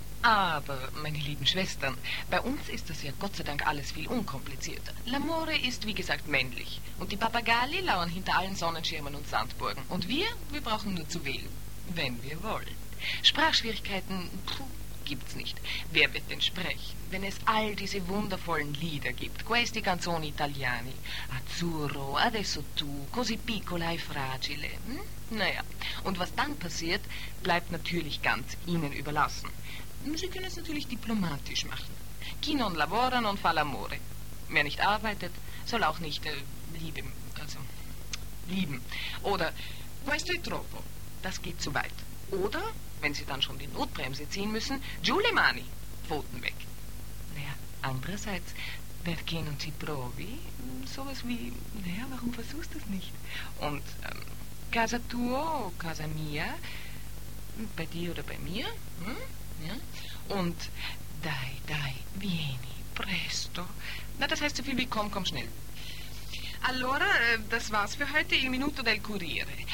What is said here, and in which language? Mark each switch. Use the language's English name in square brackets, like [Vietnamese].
[German] Aber, meine lieben Schwestern, bei uns ist das ja Gott sei Dank alles viel unkomplizierter. L'amore ist, wie gesagt, männlich. Und die Papagalli lauern hinter allen Sonnenschirmen und Sandburgen. Und wir brauchen nur zu wählen. Wenn wir wollen. Sprachschwierigkeiten, gibt's nicht. Wer wird denn sprechen, wenn es all diese wundervollen Lieder gibt? [Italian] Questi canzoni italiani. Azzurro, adesso tu, così piccola e fragile. [German] Naja, und was dann passiert, bleibt natürlich ganz Ihnen überlassen. Sie können es natürlich diplomatisch machen. [Italian] Chi non lavora non fa l'amore. [German] Wer nicht arbeitet, soll auch nicht lieben. Also, lieben. Oder, [Italian] questo è troppo. [German] Das geht zu weit. Oder, wenn Sie dann schon die Notbremse ziehen müssen, [Italian] giù le mani, [German] Pfoten weg. Naja, andererseits, [Italian] perché non ci provi? [German] Sowas wie, naja, warum versuchst du es nicht? Und, [Italian] casa tua, casa mia, [German] bei dir oder bei mir, Ja? [Italian] Und dai, dai, vieni, presto. [German] Na, das heißt so viel wie komm, komm schnell. Allora, das war's für heute, Il Minuto del Corriere.